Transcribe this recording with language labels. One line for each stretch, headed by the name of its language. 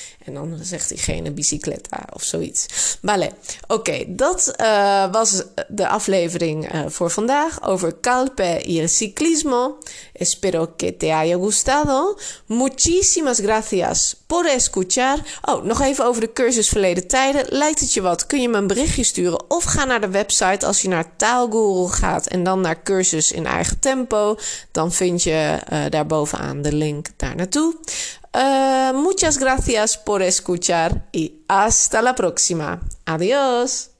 Dutch: En dan zegt diegene bicicleta of zoiets. Vale, oké, dat was de aflevering voor vandaag over Calpe
Spanish: y el ciclismo. Espero que te haya gustado. Muchísimas gracias por escuchar.
Dutch: Oh, nog even over de cursus Verleden Tijden. Lijkt het je wat? Kun je me een berichtje sturen? Of ga naar de website als je naar Taalguru gaat en dan naar cursus in eigen tempo. Dan vind je daar bovenaan de link daar naartoe.
Spanish: Muchas gracias por escuchar y hasta la próxima. Adiós.